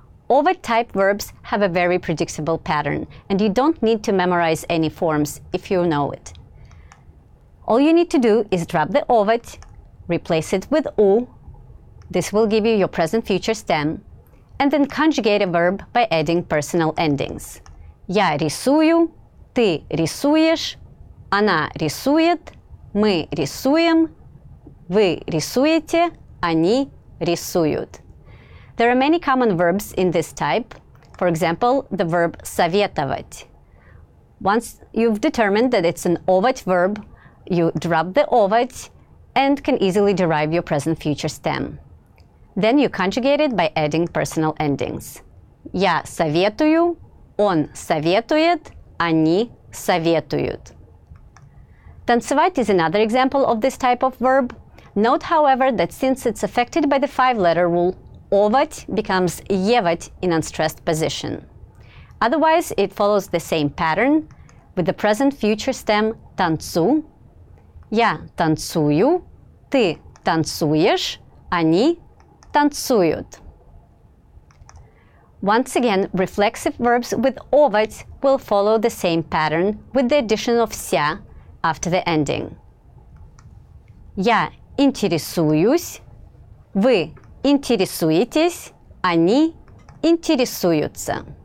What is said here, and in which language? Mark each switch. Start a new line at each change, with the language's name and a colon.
English: Овать-type verbs have a very predictable pattern, and you don't need to memorize any forms if you know it. All you need to do is drop the овать, replace it with у. This will give you your present future stem, and then conjugate a verb by adding personal endings.
Russian: Я рисую, ты рисуешь, она рисует, мы рисуем, вы рисуете, они рисуют.
English: There are many common verbs in this type. For example, the verb советовать. Once you've determined that it's an овать verb, you drop the овать and can easily derive your present future stem. Then you conjugate it by adding personal endings.
Russian: Я советую, он советует, они советуют.
English: Танцевать is another example of this type of verb. Note, however, that since it's affected by the five-letter rule, овать becomes евать in unstressed position. Otherwise, it follows the same pattern with the present future stem танцу.
Russian: Я танцую, ты танцуешь, они танцуют.
English: Once again, reflexive verbs with овать will follow the same pattern with the addition of ся after the ending.
Russian: Я интересуюсь, вы интересуетесь, они интересуются.